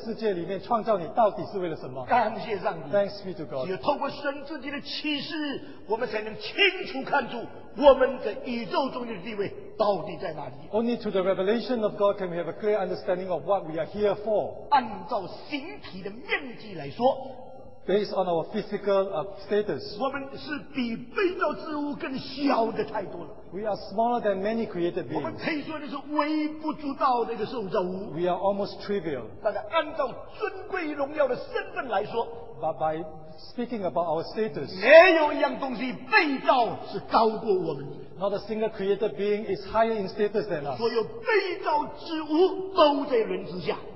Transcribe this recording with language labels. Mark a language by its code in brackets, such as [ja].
[zh] 你完全不能够了解上帝在这有形的世界里面创造你到底是为了什么? 感谢上帝, [en] Thanks be to God. [zh] 只有透过神自己的启示, 我们才能清楚看出 我们的宇宙中的地位到底在哪里? [en] Only to the revelation of God can we have a clear understanding of what we are here for. [zh] 按照形体的面积来说, [en] based on our physical status, [zh] 我们是比被造之物更小的太多了。 [en] We are smaller than many created beings. [zh] 我们可以说的是微不足道的一个受造物。 [en] We are almost trivial. [zh] 但是按照尊贵荣耀的身份来说, [en] but by speaking about our status, [zh] 没有一样东西被造是高过我们的。 [en] Not a single created being is higher in status than us. [zh] 所有被造之物都在人之下。